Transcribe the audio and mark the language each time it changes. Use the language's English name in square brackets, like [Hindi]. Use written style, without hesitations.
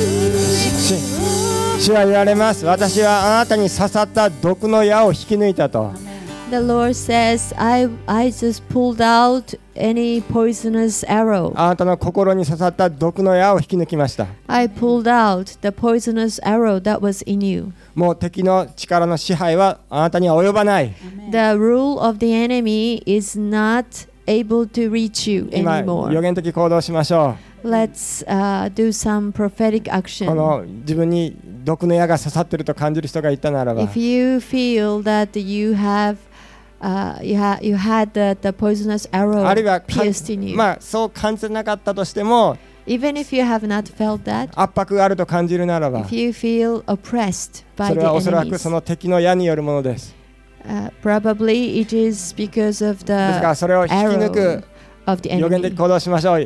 [Japanese] 主は言われます。私はあなたに刺さった毒の矢を引き抜いたと。 [English] the Lord says, I just pulled out any poisonous arrow. [Japanese] あなたの心に刺さった毒の矢を引き抜きました。 [English] I pulled out the poisonous arrow that was in you. [Japanese] もう敵の力の支配はあなたには及ばない。 [English] The rule of the enemy is not able to reach you anymore. [Japanese] 今、予言的行動しましょう。 [English] Let's do some prophetic action. [Japanese] この自分に毒の矢が刺さってると感じる人がいたならば、 [English] If you feel that you have, you had the poisonous arrow pierced in you, [Japanese] まあそう感じなかったとしても、 [English] Even if you have not felt that, [Japanese] 圧迫があると感じるならば、 [English] If you feel oppressed by the enemies, [Japanese] それはおそらくその敵の矢によるものです。 [English] Probably it is because of the arrow. [Japanese] ですからそれを引き抜く。予言的行動しましょう。